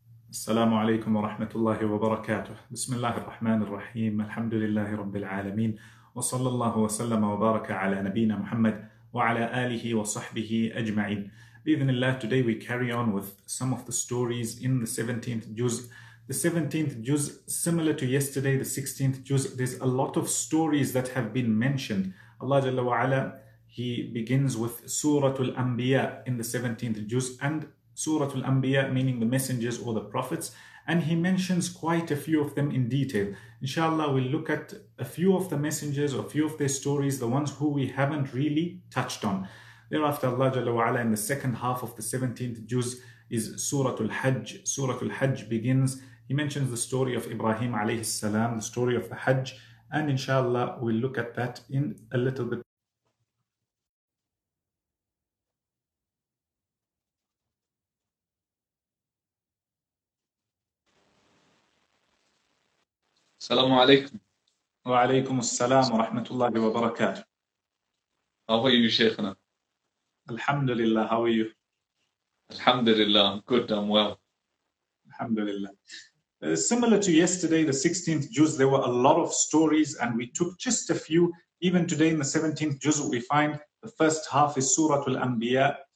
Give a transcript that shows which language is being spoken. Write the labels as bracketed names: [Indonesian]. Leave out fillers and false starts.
[Arabic] السلام عليكم ورحمة الله وبركاته. بسم الله الرحمن الرحيم، الحمد لله رب العالمين، وصلى الله وسلم وبارك على نبينا محمد وعلى آله وصحبه أجمعين. بإذن الله, [English] today we carry on with some of the stories in the 17th juz. The 17th juz, similar to yesterday, the 16th juz, there's a lot of stories that have been mentioned. Allah Jalla wa'ala, He begins with Surah Al-Anbiya in the 17th juz, and Surah Al-Anbiya, meaning the messengers or the prophets, and he mentions quite a few of them in detail. Inshallah, we'll look at a few of the messengers, or a few of their stories, the ones who we haven't really touched on. Thereafter, Allah Jalla wa'ala, in the second half of the 17th juz, is Surah Al-Hajj. Surah Al-Hajj begins. He mentions the story of Ibrahim alayhi salam, the story of the Hajj, and inshallah, we'll look at that in a little bit. [Arabic] السلام عليكم. وعليكم السلام ورحمة الله وبركاته. [English] How are you, شيخنا؟ [Arabic] الحمد لله. [English] How are you? [Arabic] الحمد لله. [English] I'm good. I'm well. [Arabic] الحمد لله. [English] Similar to yesterday, the 16th juz, there were a lot of stories, and we took just a few. Even today, in the 17th juz, we find the first half is Surah Al-Anbiya.